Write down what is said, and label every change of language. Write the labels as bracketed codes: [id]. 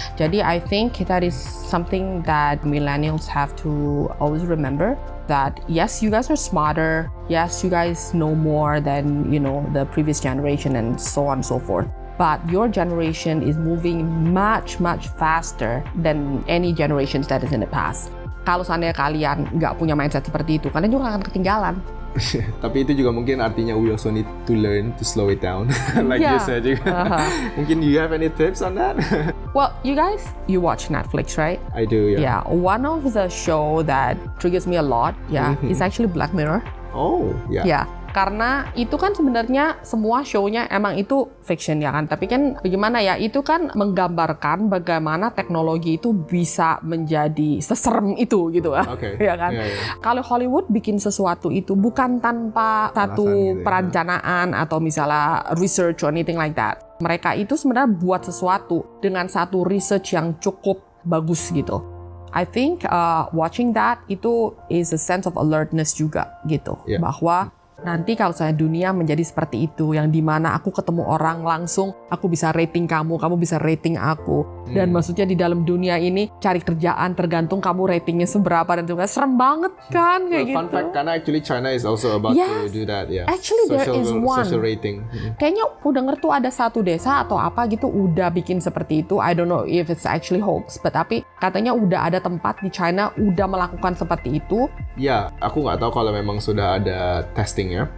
[en] Jadi I think that is something that millennials have to always remember. That yes, you guys are smarter. Yes, you guys know more than you know the previous generation and so on and so forth. But your generation is moving much much faster than any generations that is in the past. [id] Kalau seandainya kalian nggak punya mindset seperti itu, kalian juga akan ketinggalan. Tapi itu juga mungkin artinya [en] we also need to learn to slow it down, like you said. Mungkin you have any tips on that? Well, you guys, you watch Netflix, right? I do, yeah. Yeah, one of the show that triggers me a lot, is actually Black Mirror. Oh, yeah. Yeah. [id] Karena itu kan sebenarnya semua show-nya emang itu fiction ya kan. Tapi kan bagaimana ya, itu kan menggambarkan bagaimana teknologi itu bisa menjadi seserem itu gitu kan. [en] Okay. [id] Ya kan? [en] Yeah, yeah. [id] Kalau Hollywood bikin sesuatu itu bukan tanpa satu perencanaan atau misalnya research [en] or anything like that. [id] Mereka itu sebenarnya buat sesuatu dengan satu research yang cukup bagus gitu. [en] I think watching that itu is a sense of alertness juga gitu. Yeah. [id] Bahwa nanti kalau saya dunia menjadi seperti itu, yang dimana aku ketemu orang langsung, aku bisa rating kamu, kamu bisa rating aku. Dan maksudnya di dalam dunia ini, cari kerjaan tergantung kamu ratingnya seberapa dan sebagainya. Serem banget kan, kayak [en] well, fun [id] gitu. [en] Fun fact, karena actually China is also about to do that. Yeah. Actually social, there is one. Social rating. [id] Kayaknya aku denger tuh ada satu desa atau apa gitu, udah bikin seperti itu. [en] I don't know if it's actually hoax, [id] tapi katanya udah ada tempat di China, udah melakukan seperti itu. Ya, aku nggak tahu kalau memang sudah ada testing.